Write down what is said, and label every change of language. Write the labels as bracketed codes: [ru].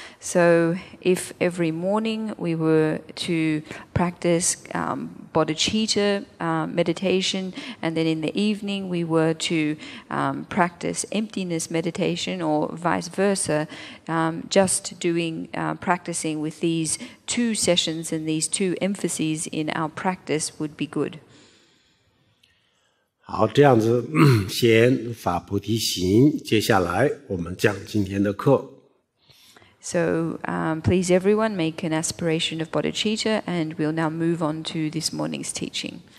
[en] So if every morning we were to practice bodhicitta meditation, and then in the evening we were to practice emptiness meditation or vice versa, just doing practicing with these two sessions and these two emphases in our practice would be good. [zh] 好，这样子先发菩提心，接下来我们讲今天的课。 [en] So, please everyone make an aspiration of bodhicitta, and we'll now move on to this morning's teaching.